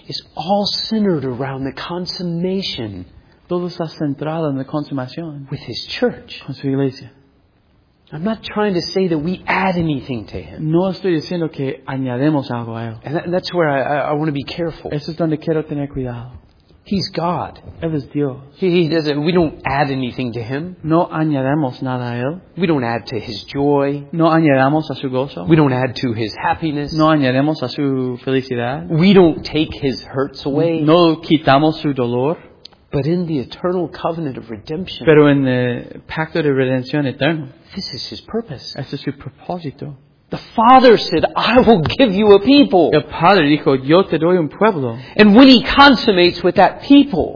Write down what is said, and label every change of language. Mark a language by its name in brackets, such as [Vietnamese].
[English] Is all centered around the consummation. [Spanish] Todo está centrado en la consumación. [English] With his church. [Spanish] Con su iglesia. [English] I'm not trying to say that we add anything to him. [Spanish] No estoy diciendo que añadimos algo a él. [English] And that's where I want to be careful. [Spanish] Eso es donde quiero tener cuidado. [English] He's God. [Spanish] Él es Dios. [English] He doesn't. We don't add anything to Him. [Spanish] No añadamos nada a él. [English] We don't add to His joy. [Spanish] No añadamos a su gozo. [English] We don't add to His happiness. [Spanish] No añadamos a su felicidad. [English] We don't take His hurts away. [Spanish] No quitamos su dolor. [English] But in the eternal covenant of redemption. [Spanish] Pero en el pacto de redención eterno. [English] This is His purpose. [Spanish] Este es su propósito. [English] The Father said, I will give you a people. [Spanish] El Padre dijo, yo te doy un pueblo. [English] And when He consummates with that people,